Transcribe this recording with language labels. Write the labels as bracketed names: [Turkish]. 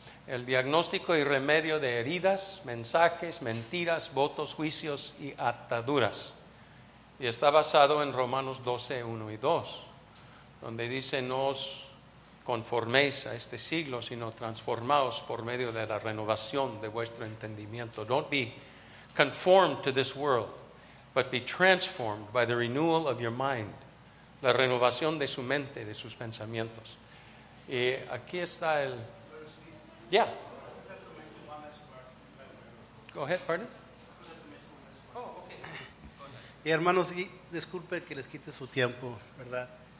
[Spanish] El diagnóstico y remedio de heridas, mensajes, mentiras, votos, juicios y ataduras. Y está basado en Romanos 12, 1 y 2, donde dice: no os conforméis a este siglo, sino transformaos por medio de la renovación de vuestro entendimiento. [English] Don't be conformed to this world, but be transformed by the renewal of your mind. [Spanish] La renovación de su mente, de sus pensamientos. Y aquí está el... Yeah. [English] Go ahead, pardon. [Spanish] Y hermanos, disculpe que les quite su tiempo, ¿verdad?